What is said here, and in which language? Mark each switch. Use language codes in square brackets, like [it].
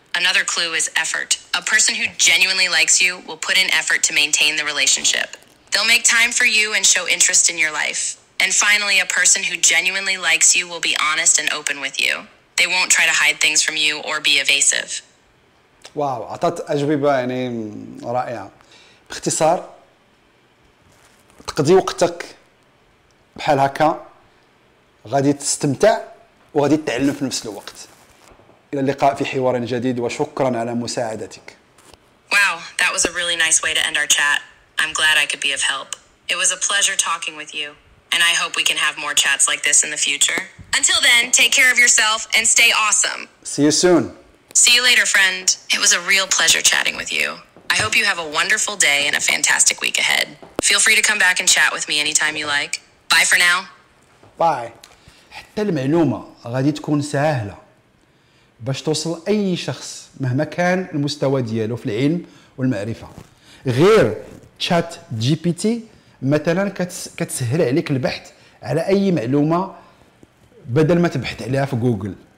[en] Another clue is effort. A person who genuinely likes you will put in effort to maintain the relationship. They'll make time for you and show interest in your life. And finally, a person who genuinely likes you will be honest and open with you. They won't try to hide things from you or be evasive. [ar] واو، عطت أجوبة يعني رائعة. باختصار، تقضي وقتك بحال هكا، غادي تستمتع وغادي تتعلم في نفس الوقت. إلى اللقاء في حوار جديد وشكرا على مساعدتك. [en] Wow, that was a really nice way to end our chat. I'm glad I could be of help. It was a pleasure talking with you. And I hope we can have more chats like this in the future. Until then, take care of yourself and stay awesome. See you soon. See you later, friend. It was a real pleasure chatting with you. I hope you have a wonderful day and a fantastic week ahead. Feel free to come back and chat with me anytime you like. Bye for now. Bye. [ar] حتى المعلومة غادي تكون سهلة باش توصل أي شخص مهما كان المستوى دياله في العلم والمعرفة. غير تشات جي بي تي مثلا كتسهل عليك البحث على أي معلومة بدل ما تبحث عليها في جوجل.